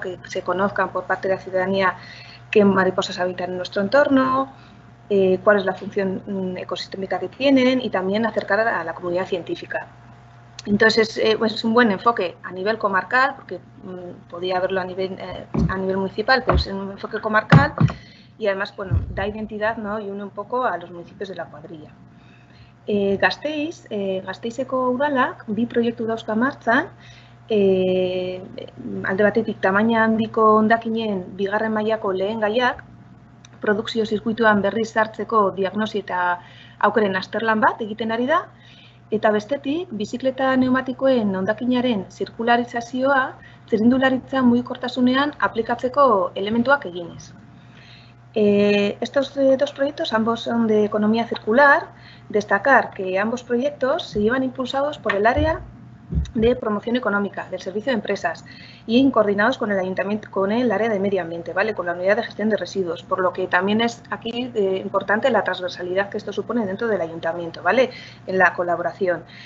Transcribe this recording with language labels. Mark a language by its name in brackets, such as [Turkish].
[Spanish] Que se conozcan por parte de la ciudadanía qué mariposas habitan en nuestro entorno, cuál es la función ecosistémica que tienen y también acercar a la comunidad científica. Entonces, pues es un buen enfoque a nivel comarcal, porque podía haberlo a nivel municipal, pero es un enfoque comarcal y además bueno, da identidad, ¿no? Y une un poco a los municipios de la cuadrilla. [Basque] Gasteizeko udalak bi proiektu dauzka martzan, alde batetik tamaina handiko hondakinen bigarren mailako lehen gaiak, produkzio zirkuituan berriz sartzeko diagnosi eta aukeren azterlan bat egiten ari da, eta bestetik, bizikleta neumatikoen hondakinaren zirkularizazioa, zirindularitza mugikortasunean aplikatzeko elementuak eginez. [Spanish] Estos dos proyectos, ambos son de economía circular, destacar que ambos proyectos se llevan impulsados por el área de promoción económica del servicio de empresas y coordinados con el ayuntamiento, con el área de medio ambiente, ¿vale? Con la unidad de gestión de residuos, por lo que también es aquí importante la transversalidad que esto supone dentro del ayuntamiento, ¿vale? En la colaboración.